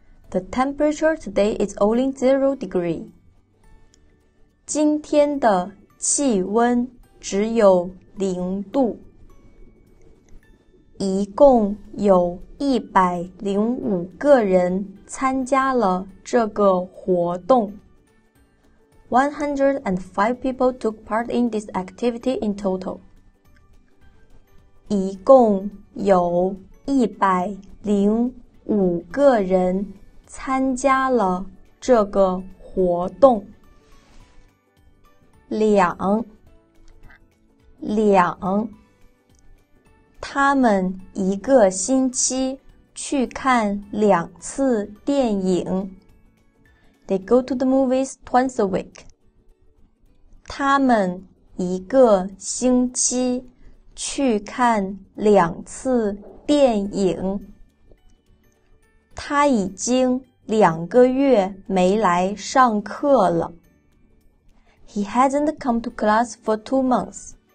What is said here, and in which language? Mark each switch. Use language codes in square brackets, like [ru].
[en] The temperature today is only 0 degree. [zh] 今天的气温只有0度。一共有105个人参加了这个活动。 [en] 105 people took part in this activity in total. [zh] 一共有105个人参加了这个活动。两，他们一个星期去看2次电影。 [en] They go to the movies twice a week. [zh] 他们一个星期去看2次电影。他已经2个月没来上课了。 [en] He hasn't come to class for 2 months.